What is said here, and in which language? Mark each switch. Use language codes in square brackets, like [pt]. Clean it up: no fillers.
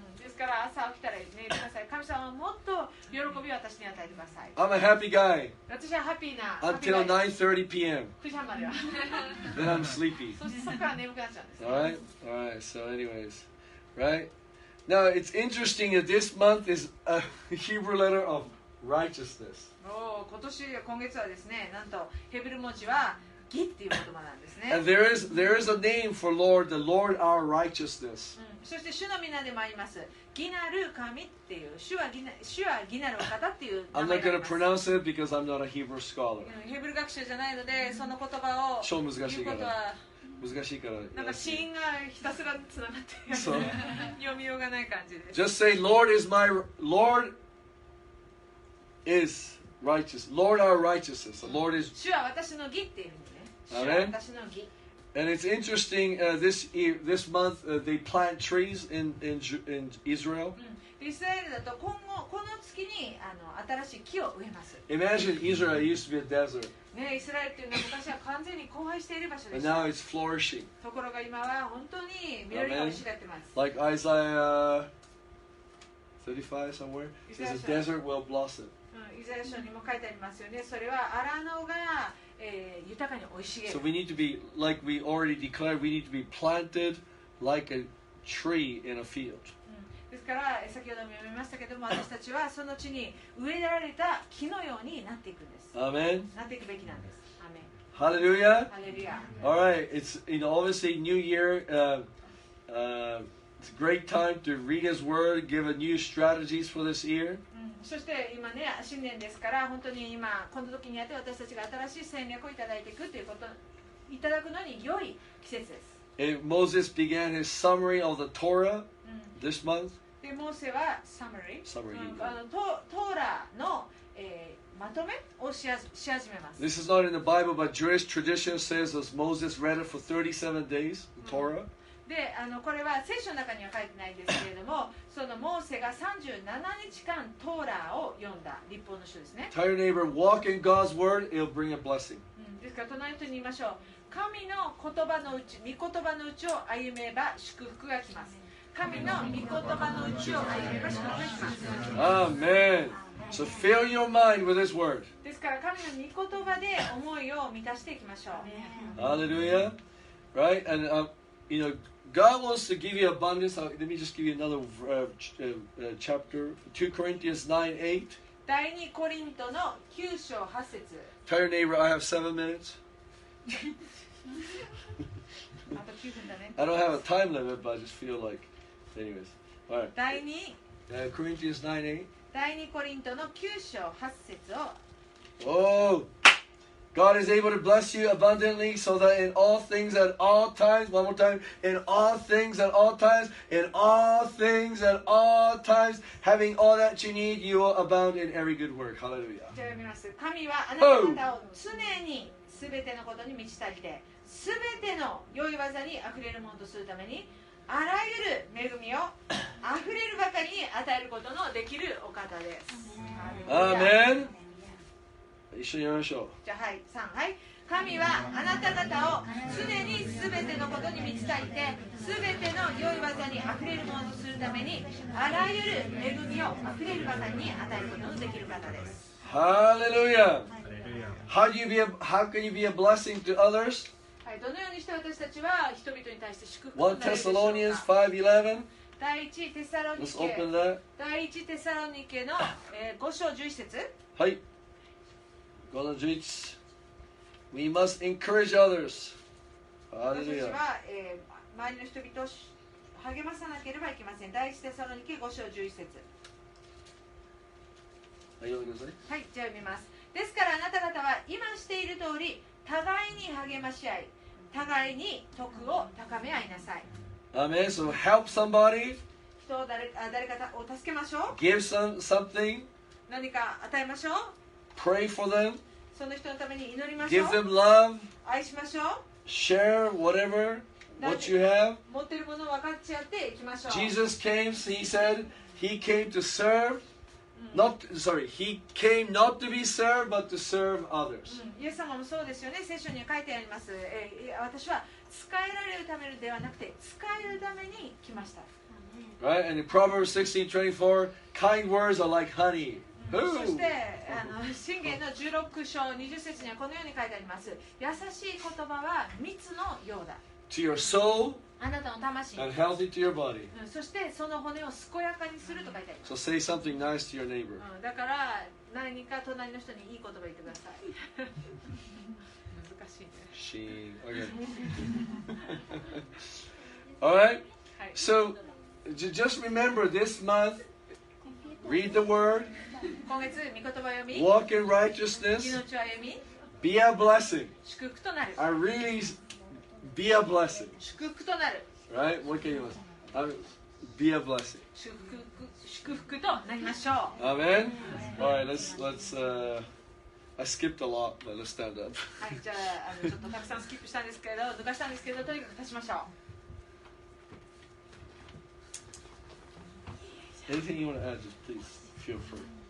[ja] ですから朝起きたら寝てください。神様はもっと喜びを私に与えてください。 [en] I'm a happy guy. [ja] 私はハッピーな。 [en] Until 9:30 p.m. [ja] 9時までは。 [en] Then I'm sleepy. [ja] そしてそこから眠くなっちゃうんです。 [en] Alright, alright. So anyways, right? Now it's interesting that this month is a Hebrew letter of righteousness. [ja] おー、今月はですね、なんとヘブル文字は義っていう言葉なんですね。 [en] And there is a name for Lord, the Lord our righteousness. [ja] そして主の皆でもあります。義なる神っていう、主は義なる方っていう名前があります。 [en] I'm not going to pronounce it because I'm not a Hebrew scholar. [ja] ヘブル学者じゃないので、その言葉を超難しいから。難しいからなんか子音がひたすらつながってそう読みようがない感じです。 [en] Just say, Lord is my Lord is righteous. Lord our righteousness. The Lord is. [ja] 主は私の義っていう意味ね。主は私の義。 [en] And it's interesting, this year, this month, they plant trees in Israel. [ja] Israel だと今後この月に新しい木を植えます。 [en] Imagine Israel used to be a desert. [ja] ね、イスラエルというのは昔は完全に荒廃している場所です。 [en] And now it's flourishing. [ja] ところが今は本当に緑が生い茂ってます。 [en] Like Isaiah 35 somewhere, says a desert will blossom. [ja] イザヤ書にも書いてありますよね。それは荒野が豊かに生い茂る。 [en] So we need to be, like we already declared, we need to be planted like a tree in a field. [ja] ですから先ほども読みましたけども、私たちはその地に植えられた木のようになっていくんです。 [en] Amen. [ja] なっていくべきなんです。 [en] Amen. Hallelujah. Hallelujah. All right. It's, you know, obviously New Year. It's a great time to read His Word, give a new strategies for this year. [ja] そして今ね新年ですから本当に今この時にやって私たちが新しい戦略をいただいていくということいただくのに良い季節です。 [en] Moses began his summary of the Torah this month. [ja] でモーセは summary。 [en] summary。 [ja] トーラの、まとめをし始めます。 [en] This is not in the Bible, but Jewish tradition says that Moses read it for 37 days, the Torah.、 [ja] であのこれは聖書の中には書いてないんですけれどもそのモーセが37日間トーラーを読んだ立法の書ですね [en] Tell your neighbor, walk in God's word, it'll bring a blessing、 [ja] うん、ですから隣の人に言いましょう神の言葉のうち、御言葉のうちを歩めば祝福が来ます神の御言葉のうちを歩めば祝福が来ます [en] Amen So fill your mind with His word [ja] ですから神の御言葉で思いを満たしていきましょう [en] Hallelujah Right? And you know, God wants to give you abundance. Let me just give you another chapter, 2 Corinthians 9, 8. [ja] 第2コリントの9章8節。 [en] Tell your neighbor, I have 7 minutes. I don't have a time limit, but I just feel like... Anyways, all right. [ja] 第 [en] 2 Corinthians 9, [ja] 8. 第2コリントの9章8節を。 [en] Oh! God is able to bless you abundantly so that in all things at all times, one more time, in all things at all times, in all things at all times, having all that you need, you will abound in every good work. Hallelujah. [ja] 神はあなた方を常にすべてのことに満ち足りて、すべての良い技にあふれるものとするために、あらゆる恵みをあふれるばかりに与えることのできるお方です。 Amen. 一緒に読みましょう。じゃあ、はい、三、はい。神はあなた方を常にすべてのことに満ち足りて、すべての良い技にあふれるものとするために、あらゆる恵みをあふれる方に与えることのできる方です。 [en] Hallelujah! How do you be a, how can you be a blessing to others? [ja] はい、どのようにして私たちは人々に対して祝福を与えるでしょうか。1 Thessalonians 5:11。 第1テサロニケ。 [en] Let's open that. [ja] 第1テサロニケの5章11節。はい。この十一、 [en] we must encourage others。 [ja] 私たちは、周りの人々を励まさなければいけません。第一テサロニケ五章十一節。はい、読みなさい。はい、じゃあ読みます。ですからあなた方は今している通り、互いに励まし合い、互いに徳を高め合いなさい。 [en] Amen. So help somebody。 [ja] 人を誰かを助けましょう。 [en] Give something。 [ja] 何か与えましょう。 [en] Pray for them. [ja] その人のために祈りましょう。 [en] Give them love. [ja] 愛しましょう。 [en] Share whatever what you have. [ja] 持ってるものを分かち合っていきましょう。 [en] Jesus came, he said, he came to serve, he came not to be served, but to serve others.、 [ja] うん、イエス様もそうですよね。聖書に書いてあります。私は使えられるためではなくて、使えるために来ました。 [en] Right? And in Proverbs 16:24, kind words are like honey. [ja] そして箴言の16章20節にはこのように書いてあります優しい言葉は蜜のようだ [en] to your soul [ja] あなたの魂 [en] and healthy to your body、 [ja] うん、そしてその骨を健やかにすると書いてあります [en] so say something nice to your neighbor、 [ja] うん、だから何か隣の人にいい言葉言ってください難しいね [en] シーン OK Alright So just remember this monthRead the word. [ja] 今月御言葉を読み。 [en] Walk in righteousness. [ja] 命を歩み。 [en] Be a blessing. [ja] 祝福となる。 [en] I really be a blessing. [ja] 祝福となる。 [en] Right? [ja] もう一回言います。 [en] Be a blessing. [ja] 祝福となりましょう。 [en] Amen. All right. Let's I skipped a lot, but let's stand up. [ja] はい、じゃあちょっとたくさんスキップしたんですけど、抜かしたんですけど、とにかく立ちましょう。 [en] Anything you want to add, just please feel free.